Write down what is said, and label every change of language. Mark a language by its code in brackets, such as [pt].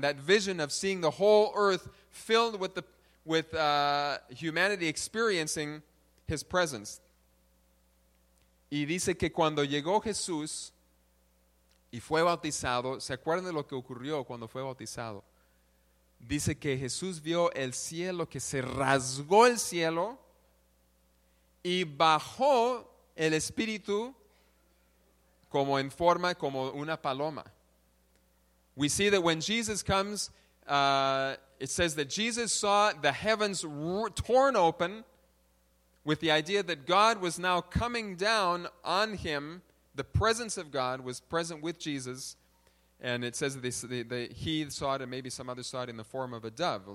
[en] That vision of seeing the whole earth filled with humanity experiencing his presence. [es] Y dice que cuando llegó Jesús y fue bautizado, ¿se acuerdan de lo que ocurrió cuando fue bautizado? Dice que Jesús vio el cielo, que se rasgó el cielo y bajó el Espíritu como en forma, como una paloma. [en] We see that when Jesus comes, it says that Jesus saw the heavens torn open, with the idea that God was now coming down on him. The presence of God was present with Jesus. And it says that he saw it, and maybe some other saw it, in the form of a dove.